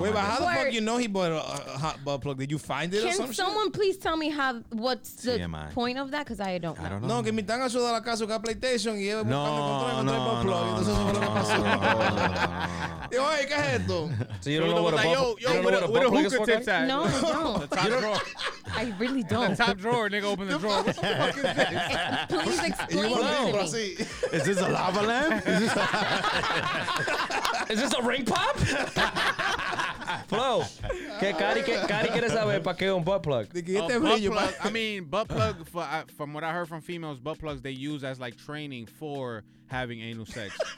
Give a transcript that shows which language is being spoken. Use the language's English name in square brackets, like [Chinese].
[English] wait, but how the fuck you know he bought a hot butt plug? Did you find it or some shit? Can someone please tell me what's the TMI. Point of that? Because I don't know. [Spanish] No, que me están ayudando a la casa con PlayStation y buscando control de butt plug. Yo, hey, ¿qué es esto? [English] So you don't know what a butt plug is for? No, I don't. I really don't. The top drawer, nigga, open the drawer. What the fuck is this? Please explain. Is this a lava lamp? Is this a ring pop? [Spanish] Flo, Cari quiere saber para qué un butt plug. [English] Butt plug, from what I heard from females, butt plugs they use as like training for having anal sex.